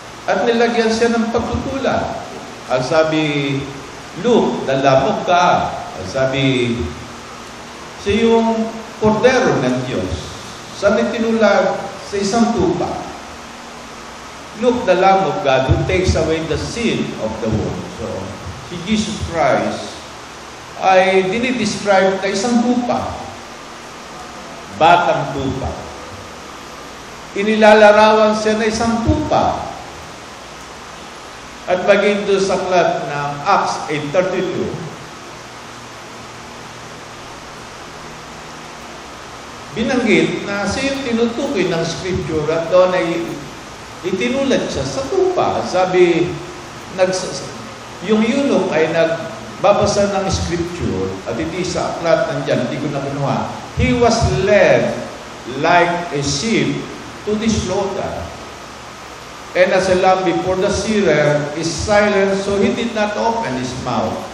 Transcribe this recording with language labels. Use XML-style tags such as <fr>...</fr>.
<tl>At nilagyan siya ng pagtutula. Ang sabi,</tl> <en>Luke, the Lamb of God.</en> <tl>Ang sabi, siya yung kordero ng Diyos. Saan itinulad? Sa isang tupa.</tl> <en>Look, the Lamb of God who takes away the sin of the world.</en> <tl>So, si Jesus Christ ay dinidescribe na isang tupa. Batang tupa. Inilalarawan siya na isang tupa. At maging doon sa aklat ng Acts 8:32, binanggit na siya yung tinutukoy ng scripture at doon ay itinulad siya sa tupa. Sabi, yung eunuch ay nagbabasa ng scripture at ito sa aklat nandyan, hindi ko nakunuha.</tl> <en>He was led like a sheep to the slaughter. And as a lamb before the shearer is silent, so he did not open his mouth.</en>